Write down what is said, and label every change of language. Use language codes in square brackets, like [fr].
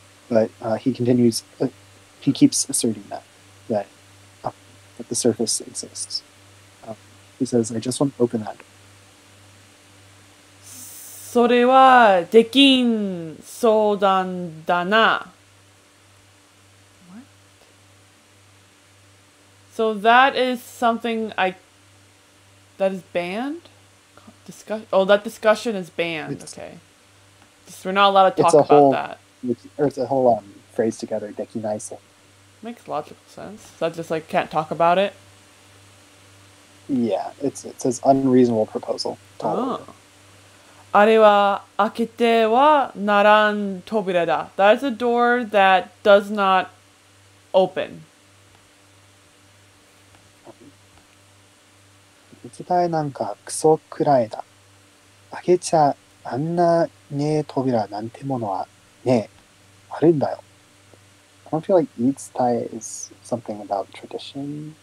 [en] But he continues, he keeps asserting that the surface exists. He says, I just want to open that. [ja] それはできん相談だな。 [en] What? So that is something that is banned? That discussion is banned. Okay. Just, we're not allowed to talk about that. It's a whole phrase together, [ja] できない相談. [en] Makes logical sense. Is that just like, can't talk about it? Yeah, it says unreasonable proposal. [ja] あれは開けてはならん扉だ。 [en] That is a door that does not open. [ja] 行きたいなんかクソくらいだ。開けちゃあんなねえ扉なんてものはねえ。あるんだよ。 [en] I don't feel like 言い伝え is something about tradition.